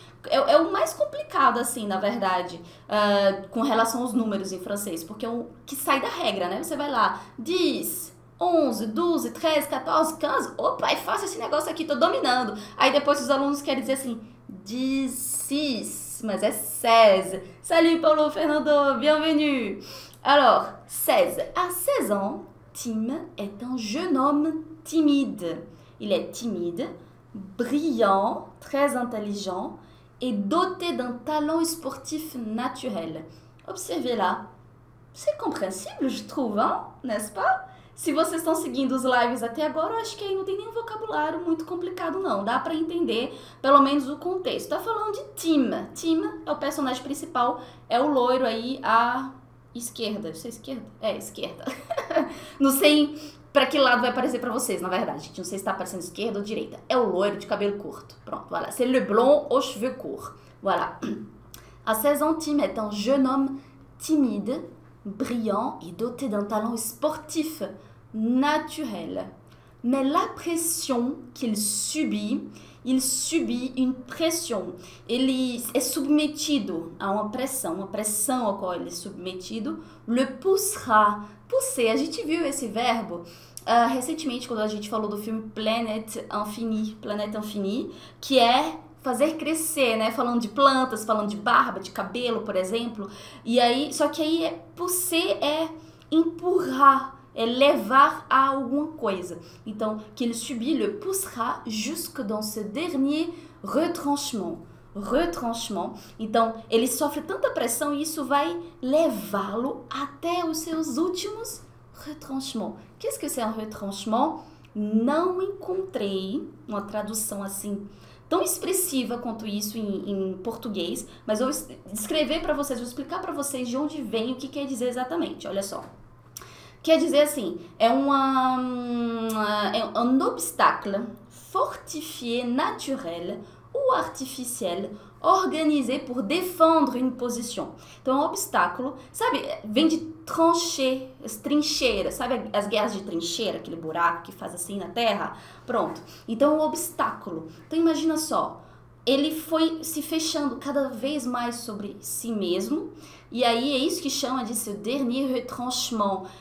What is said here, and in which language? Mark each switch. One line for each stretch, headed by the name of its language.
Portuguese: É o mais complicado, assim, na verdade, com relação aos números em francês, porque é o que sai da regra, né? Você vai lá, 10, 11, 12, 13, 14, 15, opa, é fácil esse negócio aqui, tô dominando. Aí depois os alunos querem dizer assim, 16, mas é 16.
French: Salut, Paulo Fernando, bienvenue. Alors, 16. À 16 ans, Tim est un jeune homme timide. Il est timide, brillant, très intelligent. Et doté d'un talent sportif naturel. Observez là. C'est compréhensible, je trouve, hein? N'est-ce pas?
Portuguese: Se vocês estão seguindo os lives até agora, eu acho que aí não tem nenhum vocabulário muito complicado, não. Dá para entender pelo menos o contexto. Tá falando de Tim. Tim é o personagem principal, é o loiro aí à esquerda. Isso é esquerda? É, esquerda. Não sei pra que lado vai aparecer pra vocês, na verdade. Não sei se tá aparecendo esquerda ou direita. É o loiro de cabelo curto. Pronto, voilà.
French: C'est le blond aux cheveux courts. Voilà. À 16 ans, Tim est un jeune homme timide, brillant et doté d'un talent sportif naturel. Mais la pression qu'il subit, il subit une pression.
Portuguese: Ele é submetido a uma pressão a qual ele é submetido,
French: le poussera.
Portuguese: Pousser, a gente viu esse verbo Recentemente, quando a gente falou do filme Planeta Infini, que é fazer crescer, né? Falando de plantas, falando de barba, de cabelo, por exemplo. E aí, só que aí é você é empurrar. É levar a alguma coisa.
French: Então, qu'il subit le poussera jusque dans ce dernier retranchement. Retranchement.
Portuguese: Então, ele sofre tanta pressão e isso vai levá-lo até os seus últimos retranchements.
French: Qu'est-ce que c'est un retranchement?
Portuguese: Não encontrei uma tradução assim tão expressiva quanto isso em português, mas eu vou descrever para vocês, vou explicar para vocês de onde vem, o que quer dizer exatamente. Olha só. Quer dizer assim, é um
French: obstacle fortifié naturel ou artificiel organisé pour défendre une position.
Portuguese: Então, um obstáculo, sabe, vem de tranché, as trincheiras, sabe as guerras de trincheira, aquele buraco que faz assim na terra? Pronto. Então, um obstáculo. Então, imagina só. Ele foi se fechando cada vez mais sobre si mesmo, e aí é isso que chama de seu dernier retranchement.